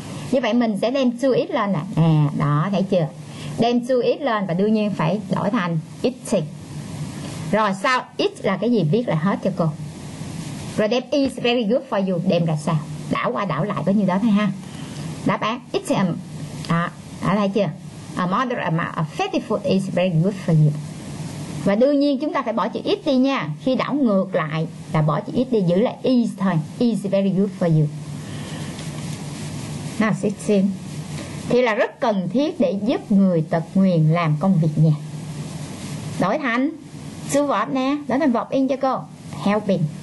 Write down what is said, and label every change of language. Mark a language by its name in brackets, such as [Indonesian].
[Vietnamese] Như vậy mình sẽ đem to eat lên nè. À đó, thấy chưa? Đem to eat lên và đương nhiên phải đổi thành eating. Rồi sau eat là cái gì viết là hết cho cô. Rồi đem is very good for you đem ra sao? Đảo qua đảo lại có như đó thôi ha. Đáp án eating. Đó, đã thấy chưa? [English] A moderate amount of fatty food is very good for you. [Vietnamese] Và đương nhiên chúng ta phải bỏ chữ is đi nha. Khi đảo ngược lại là bỏ chữ is đi, giữ lại is thôi. [English] Is very good for you. Now 16. [Vietnamese] thì là rất cần thiết để giúp người tật nguyền làm công việc nhà. Đổi thành sư vọp nè, đổi thành vọp in cho cô, helping.